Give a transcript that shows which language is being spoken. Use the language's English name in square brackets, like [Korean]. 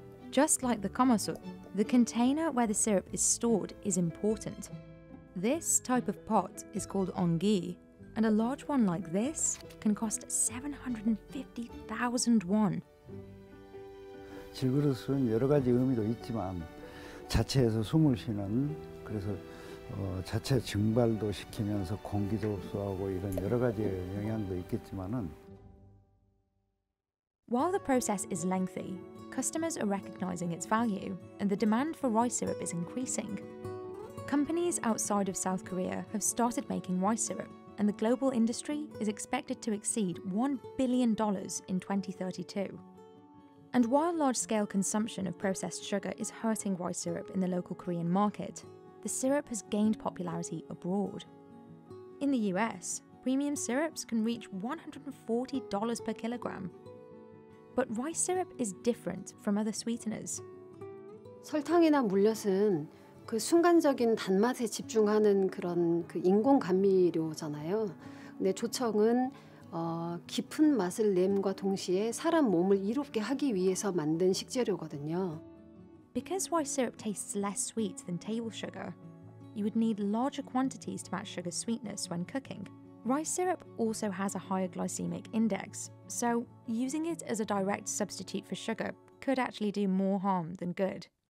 [English] Just like the komosut, the container where the syrup is stored is important. This type of pot is called ongi, and a large one like this can cost 750,000 won. [Korean] 질그릇은 여러 가지 의미도 있지만 자체에서 숨을 쉬는 그래서 자체 증발도 시키면서 공기도 흡수하고 이런 여러 가지 영향도 있겠지만은. [English] While the process is lengthy, customers are recognizing its value, and the demand for rice syrup is increasing. Companies outside of South Korea have started making rice syrup, and the global industry is expected to exceed $1 billion in 2032. And while large-scale consumption of processed sugar is hurting rice syrup in the local Korean market, the syrup has gained popularity abroad. In the US, premium syrups can reach $140 per kilogram. But rice syrup is different from other sweeteners. [Korean] 설탕이나 물엿은 그 순간적인 단맛에 집중하는 그런 그 인공 감미료잖아요. 근데 조청은 깊은 맛을 냄과 동시에 사람 몸을 이롭게 하기 위해서 만든 식재료거든요. [English] Because rice syrup tastes less sweet than table sugar, you would need larger quantities to match sugar's sweetness when cooking, Rice syrup also has a higher glycemic index, so using it as a direct substitute for sugar could actually do more harm than good.